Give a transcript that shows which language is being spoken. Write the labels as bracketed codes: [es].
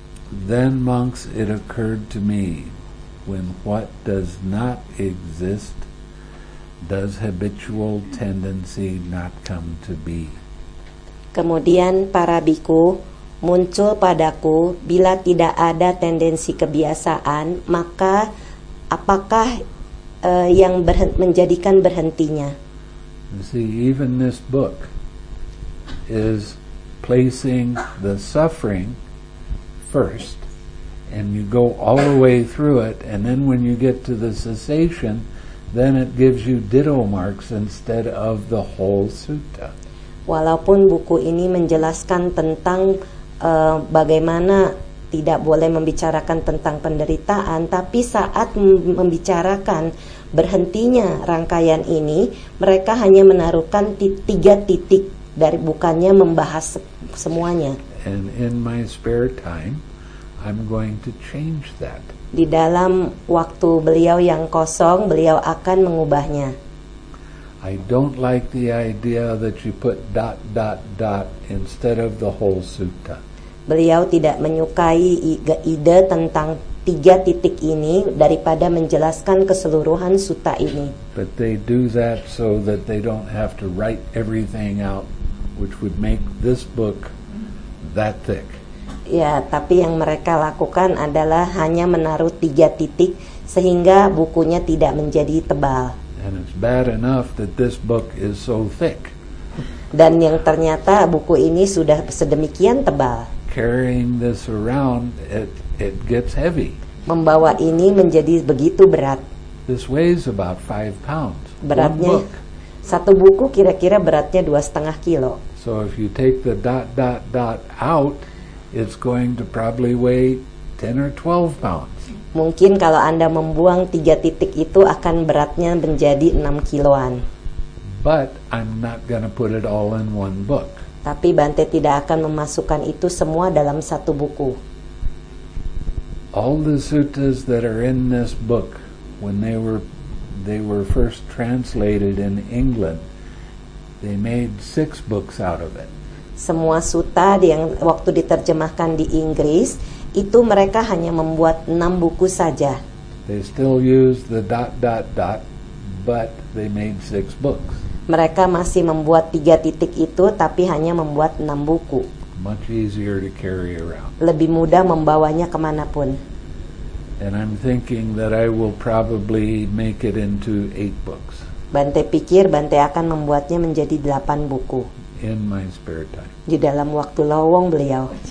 [en] Then, monks, it occurred to me, when what does not exist, does habitual tendency not come to be? [id] Kemudian para bhikkhu muncul padaku, bila tidak ada tendensi kebiasaan, maka apakah yang menjadikan berhentinya? [en] You see, even this book is placing the suffering first and you go all the way through it, and then when you get to the cessation, then it gives you ditto marks instead of the whole sutta. [id] Walaupun buku ini menjelaskan tentang bagaimana tidak boleh membicarakan tentang penderitaan, tapi saat membicarakan berhentinya rangkaian ini, mereka hanya menaruhkan tiga titik dari bukannya membahas semuanya. [en] And in my spare time, I'm going to change that. [id] Di dalam waktu beliau yang kosong, beliau akan mengubahnya. [en] I don't like the idea that you put dot dot dot instead of the whole sutta. [id] Beliau tidak menyukai ide tentang tiga titik ini daripada menjelaskan keseluruhan sutta ini. [en] But they do that so that they don't have to write everything out, which would make this book that thick. [id] Ya, tapi yang mereka lakukan adalah hanya menaruh tiga titik sehingga bukunya tidak menjadi tebal. [en] And it's bad enough that this book is so thick. [id] Dan yang ternyata buku ini sudah sedemikian tebal. [en] Carrying this around, it gets heavy. [id] Membawa ini menjadi begitu berat. [en] This weighs about 5 pounds. [id] Beratnya satu buku kira-kira beratnya 2.5 kilo. [en] So if you take the dot dot dot out, it's going to probably weigh 10 or 12 pounds. [id] Mungkin kalau Anda membuang tiga titik itu akan beratnya menjadi 6 kiloan. [en] But I'm not going to put it all in one book. [id] Tapi Bante tidak akan memasukkan itu semua dalam satu buku. [en] All the suttas that are in this book, when they were first translated in England, they made 6 books out of it. [id] Semua sutta yang waktu diterjemahkan di Inggris, itu mereka hanya membuat 6 buku saja. [en] They still use the dot dot dot, but they made 6 books. [id] Mereka masih membuat 3 titik itu, tapi hanya membuat 6 buku. [en] Much easier to carry around. [id] Lebih mudah membawanya kemanapun. [en] And I'm thinking that I will probably make it into 8 books. [id] Bante pikir Bante akan membuatnya menjadi 8 buku. [en] In my spare time. [id] Di dalam waktu lowong beliau.